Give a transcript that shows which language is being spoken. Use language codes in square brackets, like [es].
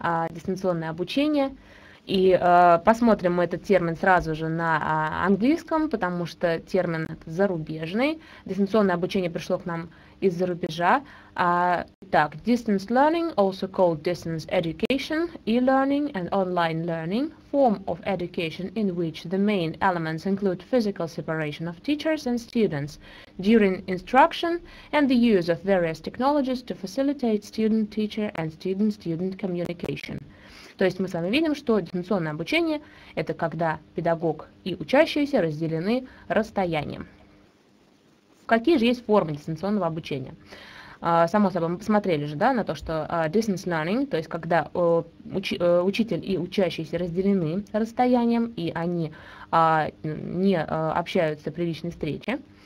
[ru] Дистанционное обучение. И посмотрим мы этот термин сразу же на английском, потому что термин зарубежный. Дистанционное обучение пришло к нам из-за рубежа. [en] Так, distance learning, also called distance education, e-learning and online learning, form of education in which the main elements include physical separation of teachers and students during instruction and the use of various technologies to facilitate student-teacher and student-student communication. [ru] То есть мы с вами видим, что дистанционное обучение – это когда педагог и учащиеся разделены расстоянием. Какие же есть формы дистанционного обучения? Само собой, мы посмотрели же, да, на то, что distance learning, то есть когда учитель и учащийся разделены расстоянием, и они не общаются при личной встрече.